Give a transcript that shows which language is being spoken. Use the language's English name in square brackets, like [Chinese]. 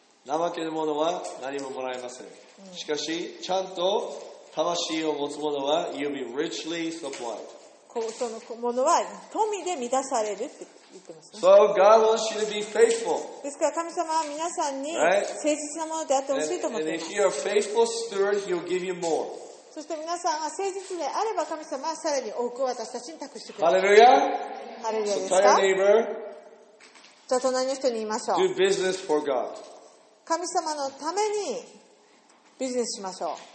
[Japanese] 怠け者は何ももらえません。しかし、ちゃんと魂を持つ者は、 [English] You'll be richly supplied. [Japanese] そのものは富で満たされるって言ってますね。 [English] So God wants you to be faithful. [Japanese] ですから神様は皆さんに誠実なものであってほしいと思っています [English] And if you're a faithful steward, He'll give you more. [Japanese] そして皆さんが誠実であれば、神様はさらに多く私たちに託してくれる。ハレルヤ。ハレルヤですか。 [English] So、neighbor, [Japanese] じゃあ隣の人に言いましょう。 [English] Do business for God. [Japanese] 神様のためにビジネスしましょう。